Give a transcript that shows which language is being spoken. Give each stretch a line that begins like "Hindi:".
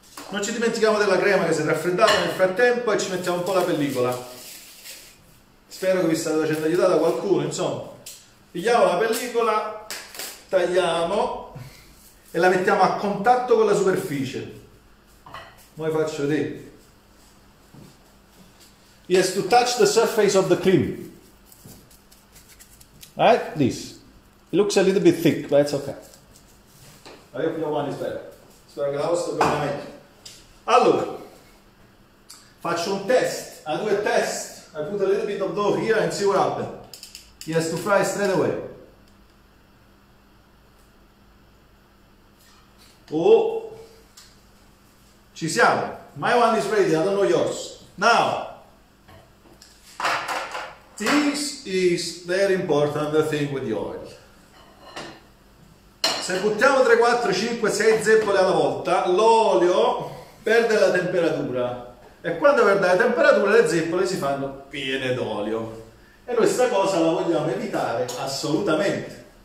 Italian: Non ci dimentichiamo della crema che si è raffreddata nel frattempo e ci mettiamo un po' la pellicola. Spero che vi state facendo aiutare da qualcuno, insomma. Pigliamo la pellicola, tagliamo e la mettiamo a contatto con la superficie. Ora vi faccio vedere.
English: He has to touch the surface of the cream. Right? This. It looks a little bit thick, but it's okay. I hope your one is better.
Italian: Spero che la vostra sia meglio. Allora, faccio un test.
English: I do a test. I put a little bit of dough here and see what happens. He has to fry straight away. Oh,
Italian: ci siamo.
English: My one is ready. I don't know yours. Now, this is very important, the thing with the oil.
Italian: Se buttiamo 3, 4, 5, 6 zeppole alla volta, l'olio perde la temperatura. E quando perde la temperatura, le zeppole si fanno piene d'olio. E noi questa cosa la vogliamo evitare assolutamente.